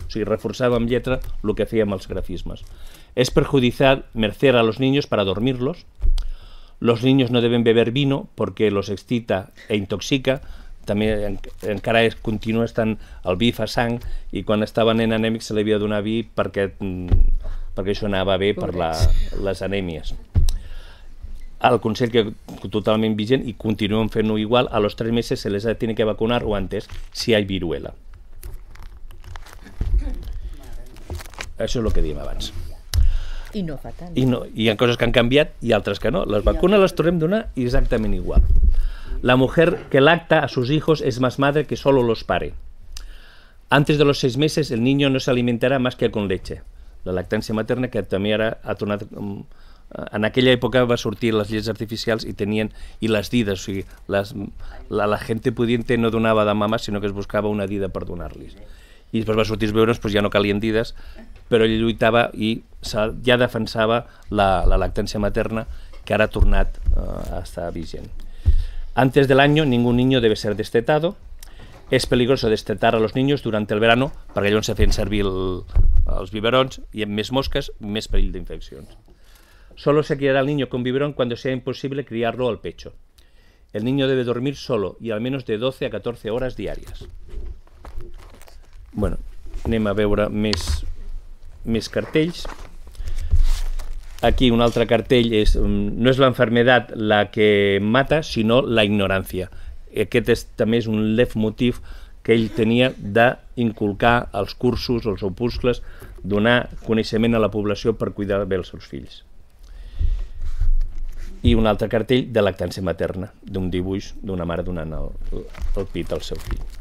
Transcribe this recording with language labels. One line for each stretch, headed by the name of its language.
Catalan: O sigui, reforçava amb lletra el que fèiem els grafismes.
Spanish: "Es perjudicial mercer a los niños para dormirlos. Los niños no deben beber vino porque los excita e intoxica."
Catalan: També encara continua estant el vi fa sang, i quan estava nen anèmic se li havia de donar vi perquè això anava bé per les anèmies. El consell que totalment vigent i continuen fent-ho igual:
Spanish: "A los 3 meses se les ha de vacunar o antes si hay viruela."
Catalan: Això és el que diem abans. I no fa tant. Hi ha coses que han canviat i altres que no. Les vacunes les tornem a donar exactament igual.
Spanish: "La mujer que lacta a sus hijos es más madre que solo los pare. Antes de los 6 meses el niño no se alimentará más que con leche."
Catalan: La lactància materna, que també ara ha tornat... En aquella època va sortir les lleis artificials i les dides, o sigui,
Spanish: la gente pudiente
Catalan: no donava de mama, sinó que es buscava una dida per donar-li. I després va sortir els bebès, ja no calien dides, però ell lluitava i ja defensava la lactància materna, que ara ha tornat a estar vigent.
Spanish: "Antes del año ningún niño debe ser destetado. Es peligroso destetar a los niños durante el verano",
Catalan: perquè llavors se feien servir els biberons, "y en més mosques, més perill d'infeccions.
Spanish: Solo se criará el niño con biberón cuando sea imposible criarlo al pecho. El niño debe dormir solo y al menos de 12 a 14 horas diarias."
Catalan: Bueno, anem a veure més cartells. Aquí un altre cartell és:
Spanish: "No es la enfermedad la que mata, sino la ignorancia."
Catalan: Aquest també és un leitmotiv que ell tenia d'inculcar els cursos, els opuscles, donar coneixement a la població per cuidar bé els seus fills. I un altre cartell de lactància materna, d'un dibuix d'una mare donant el pit al seu fill.